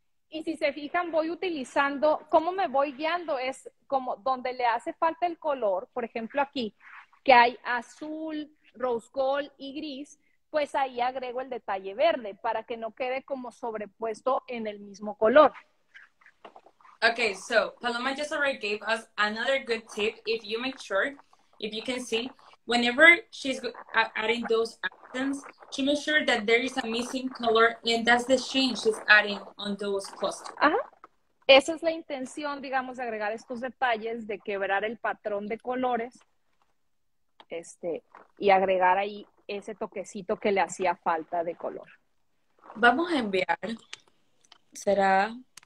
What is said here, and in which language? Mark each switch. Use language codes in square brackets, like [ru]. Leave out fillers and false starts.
[es] Y si se fijan, voy utilizando, ¿cómo me voy guiando? Es como donde le hace falta el color, por ejemplo, aquí, que hay azul, rose gold y gris, pues ahí agrego el detalle verde para que no quede como sobrepuesto en el mismo color. [en] Okay, so Paloma just already gave us another good tip. If you make sure, if you can see, whenever she's adding those accents, she makes sure that there is a missing color and that's the shade she's adding on those clusters. Ajá. [es] Esa es la intención, digamos, de agregar estos detalles, de quebrar el patrón de colores. Y agregar ahí ese toquecito que le hacía falta de color. Vamos a enviar, será